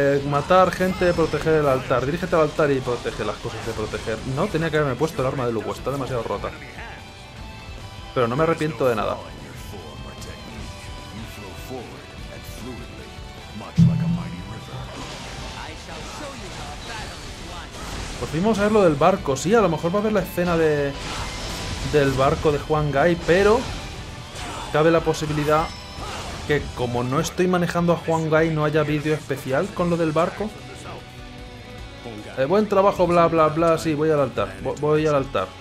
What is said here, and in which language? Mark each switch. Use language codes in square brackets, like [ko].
[es] Matar gente, proteger el altar. Dirígete al altar y protege las cosas de proteger. No, tenía que haberme puesto el arma de Lugo, está demasiado rota. Pero no me arrepiento de nada. [en] forward and fluidly, much like a mighty river. I shall show you how a battle is won. [es] Pues vimos a ver lo del barco. Sí, a lo mejor va a haber la escena de del barco de Juan Guy, pero cabe la posibilidad que, como no estoy manejando a Juan Guy, no haya vídeo especial con lo del barco. Buen trabajo, bla bla bla. Sí, voy al altar. Voy al altar.